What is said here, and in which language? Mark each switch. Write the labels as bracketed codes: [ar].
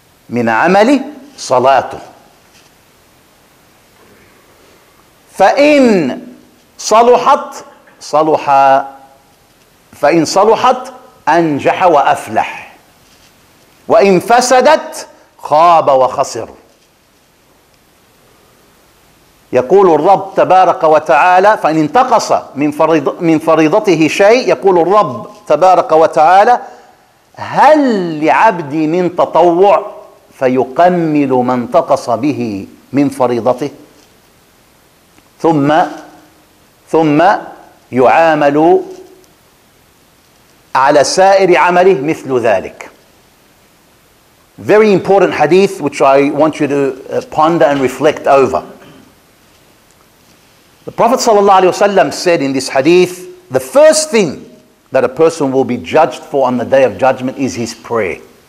[ar] من عمله صلاته فإن صلحت صلح فإن صلحت أنجح وأفلح وإن فسدت خاب وخسر. يقول الرب تبارك وتعالى فإن انتقص من فريضته شيء يقول الرب تبارك وتعالى هل لعبدي من تطوع فيكمل ما انتقص به من فريضته ثم يعامل على سائر عمله مثل ذلك. [en] Very important hadith, which I want you to ponder and reflect over. The Prophet ﷺ said in this hadith, the first thing that a person will be judged for on the Day of Judgment is his prayer.